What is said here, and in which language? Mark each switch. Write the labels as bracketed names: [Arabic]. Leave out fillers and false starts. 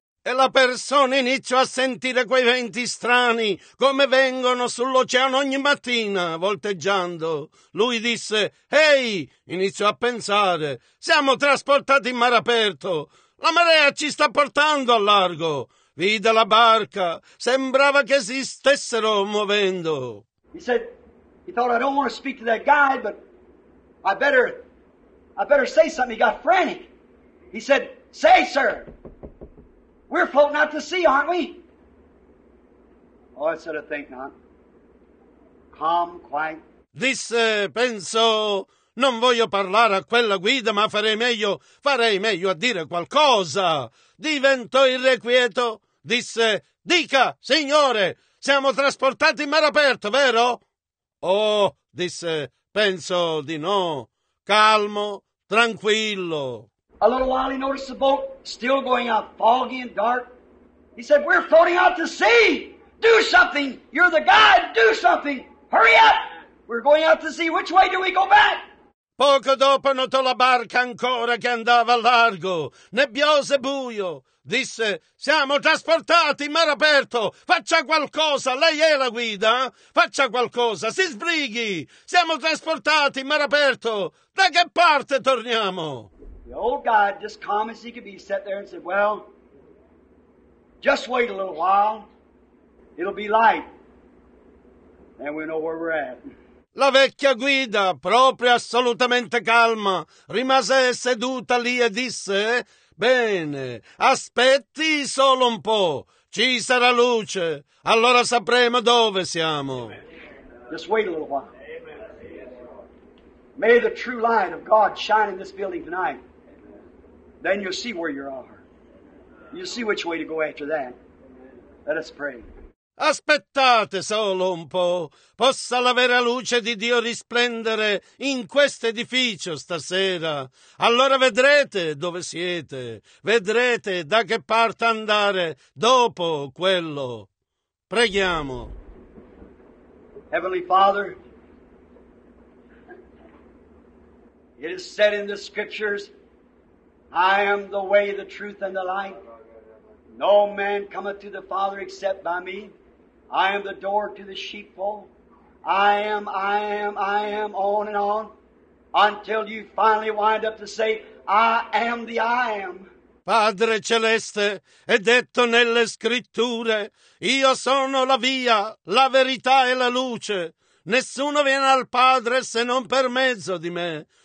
[Italian] E la persona iniziò a sentire quei venti strani come vengono sull'oceano ogni mattina volteggiando. Lui disse, ehi, iniziò a pensare, siamo trasportati in mare aperto. La marea ci sta portando al largo. Vide la barca, sembrava che si stessero muovendo. [English] He said, he thought, I don't want to speak to that guy, but I better say something. He got frantic. He said, say, sir, we're floating out to sea, aren't we? Oh, I said, I think not. Calm, quiet. [Italian] Disse, penso, non voglio parlare a quella guida, ma farei meglio a dire qualcosa. Diventò irrequieto. Disse, dica, signore, siamo trasportati in mare aperto, vero? Oh, disse, penso di no. Calmo, tranquillo. [English] A little while he noticed the boat still going out, foggy and dark. He said, we're floating out to sea. Do something. You're the guide. Do something. Hurry up. We're going out to sea. Which way do we go back? [Italian] Poco dopo notò la barca ancora che andava a largo. Nebbioso e buio. disse: siamo trasportati in mare aperto, faccia qualcosa, lei è la guida, faccia qualcosa, si sbrighi, siamo trasportati in mare aperto, da che parte torniamo? [English] The old guy, just calm as he could be, sat there and said, well, just wait a little while, it'll be light, and we know where we're at. [Italian] La vecchia guida, proprio assolutamente calma, rimase seduta lì e disse: bene, aspetti solo un po', ci sarà luce, allora sapremo dove siamo. [English] Just wait a little while. May the true light of God shine in this building tonight. Then you'll see where you are. You'll see which way to go after that. Let us pray. [Italian] Aspettate solo un po', possa la vera luce di Dio risplendere in questo edificio stasera. Allora vedrete dove siete, vedrete da che parte andare dopo quello. Preghiamo. [English] Heavenly Father, it is said in the scriptures, I am the way, the truth, and the life. No man cometh to the Father except by me. I am the door to the sheepfold. I am, on and on, until you finally wind up to say, I am the I am. [Italian] Padre Celeste, è detto nelle scritture, io sono la via, la verità e la luce. Nessuno viene al Padre se non per mezzo di me.